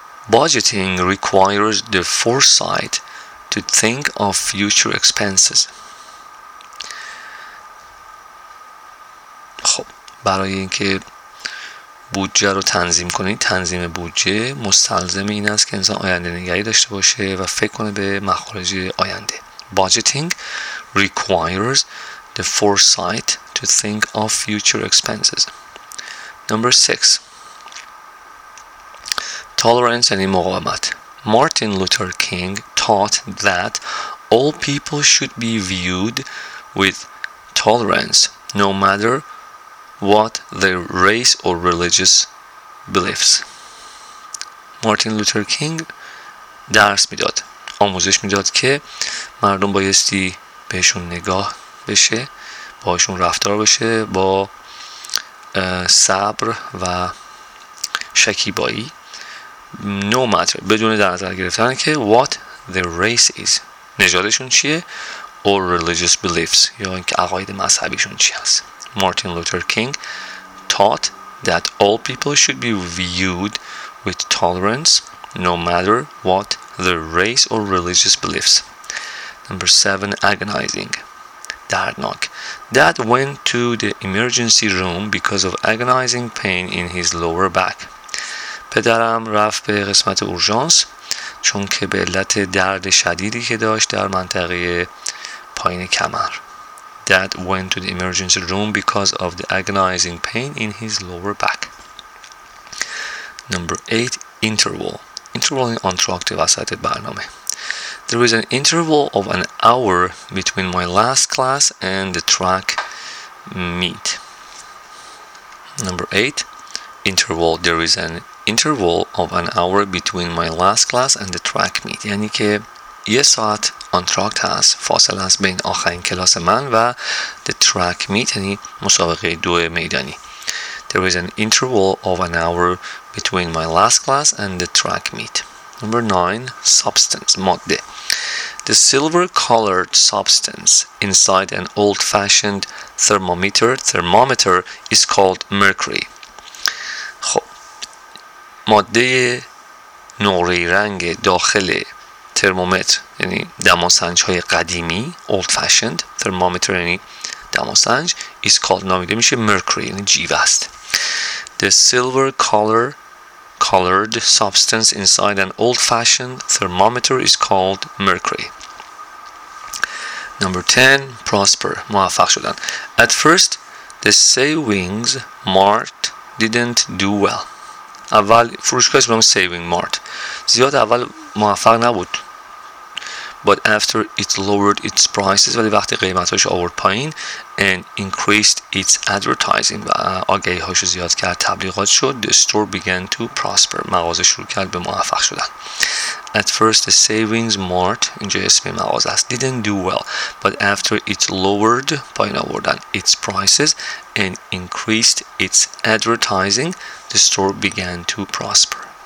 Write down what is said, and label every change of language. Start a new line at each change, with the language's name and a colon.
English: Budgeting requires the foresight to think of future expenses.
Persian: خب برای اینکه بودجه رو تنظیم کنید، تنظیم بودجه مستلزم این است که انسان آینده نگری داشته باشه و فکر کنه به مخارج آینده.
English: Budgeting requires the foresight to think of future expenses. Number 6. Tolerance and
Persian: مقاومت.
English: Martin Luther King taught that all people should be viewed with tolerance no matter what their race or religious beliefs.
Persian: Martin Luther King درس میداد، آموزش میداد که مردم بایستی بهشون نگاه بشه، باشون رفتار بشه با صبر و شکیبایی،
English: no matter
Persian: بدون در نظر گرفتن که
English: what their race is،
Persian: نژادشون چیه،
English: or religious beliefs
Persian: یا اینکه عقاید مذهبیشون چی هست.
English: Martin Luther King taught that all people should be viewed with tolerance no matter what their race or religious beliefs. Number 7, agonizing. Dardnock. Dad went to the emergency room because of agonizing pain in his lower back.
Persian: پدرم رفت به قسمت اورژانس چون که به علت درد شدیدی که داشت در منطقه پایین کمر.
English: Dad went to the emergency room because of the agonizing pain in his lower back. Number 8, interval. Interval in untracked
Persian: وسط برنامه.
English: There is an interval of an hour between my last class and the track meet. Number 8, interval. There is an interval of an hour between my last class and the track meet.
Persian: یعنی که یه ساعت آنتراکت هست، فاصله هست بین آخرین کلاس من و
English: the track meet
Persian: یعنی مسابقه دو میدانی.
English: There is an interval of an hour between my last class and the track meet. Number 9, substance،
Persian: ماده.
English: The silver-colored substance inside an old-fashioned thermometer is called mercury.
Persian: خب ماده نقره رنگ داخل ترمومتر یعنی دماسنج‌های قدیمی
English: old fashioned thermometer
Persian: یعنی دماسنج
English: is called
Persian: نامیده میشه mercury یعنی جیوه است.
English: The silver colored substance inside an old fashioned thermometer is called mercury. Number 10, prosper,
Persian: موفق شدن.
English: At first, the savings mart didn't do well.
Persian: اول فروشگاه اسمش savings mart زیاد اول موفق نبود.
English: But after it lowered its prices,
Persian: ولی وقتی قیمتاش آورد پایین
English: and increased its advertising
Persian: و آگهی‌هاش رو زیاد کرد تبلیغات شد,
English: the store began to prosper.
Persian: مغازه شروع کرد به موفق شدن.
English: At first the savings mart,
Persian: اینجا اسم مغازه است,
English: didn't do well. But after it lowered,
Persian: پایین آوردن,
English: its prices and increased its advertising, the store began to prosper.